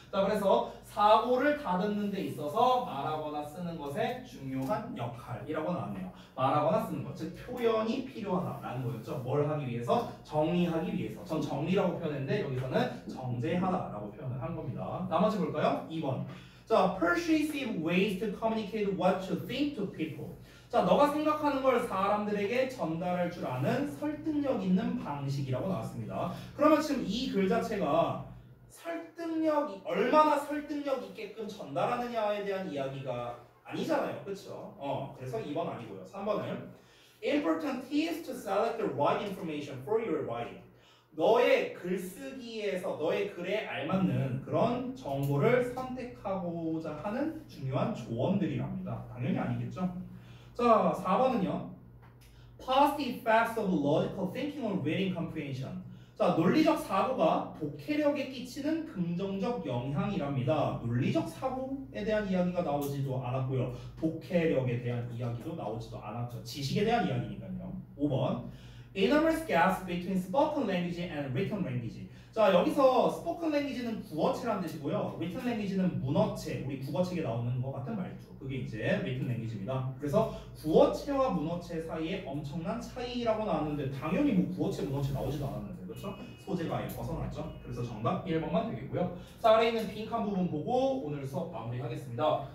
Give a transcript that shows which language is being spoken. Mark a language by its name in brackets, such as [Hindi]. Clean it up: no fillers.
[Korean] 자, 그래서 사고를 다듬는 데 있어서 말하거나 쓰는 것의 중요한 역할이라고 나왔네요. 말하거나 쓰는 것, 즉 표현이 필요하다라는 거였죠. 뭘 하기 위해서? 정리하기 위해서. 전 정리라고 표현했는데 여기서는 정제하다라고 표현을 한 겁니다. 나머지 볼까요? 2번. [English] 자, persuasive ways to communicate what you think to people. [Korean] 자, 너가 생각하는 걸 사람들에게 전달할 줄 아는 설득력 있는 방식이라고 나왔습니다. 그러면 지금 이 글 자체가 설득력이 얼마나 설득력 있게끔 전달하느냐에 대한 이야기가 아니잖아요. 그렇죠? 그래서 2번 아니고요. [English] 3번은 Important is to select the right information for your writing. [Korean] 너의 글쓰기에서 너의 글에 알맞는 그런 정보를 선택하고자 하는 중요한 조언들이랍니다. 당연히 아니겠죠? 자, 4번은요. [English] Positive effects of logical thinking on reading comprehension. [Korean] 자, 논리적 사고가 독해력에 끼치는 긍정적 영향이랍니다. 논리적 사고에 대한 이야기가 나오지도 않았고요. 독해력에 대한 이야기도 나오지도 않았죠. 지식에 대한 이야기니까요. 5번. [English] Enormous gaps between spoken language and written language. [Korean] 자, 여기서 spoken language는 구어체라는 뜻이고요. written language는 문어체, 우리 국어책에 나오는 것 같은 말이죠. 그게 이제 written language입니다. 그래서 구어체와 문어체 사이에 엄청난 차이라고 나왔는데 당연히 뭐 구어체, 문어체 나오지도 않았는데 그렇죠? 소재가 아예 벗어났죠. 그래서 정답 1번만 되겠고요. 자, 아래에 있는 빈칸 부분 보고 오늘 수업 마무리하겠습니다.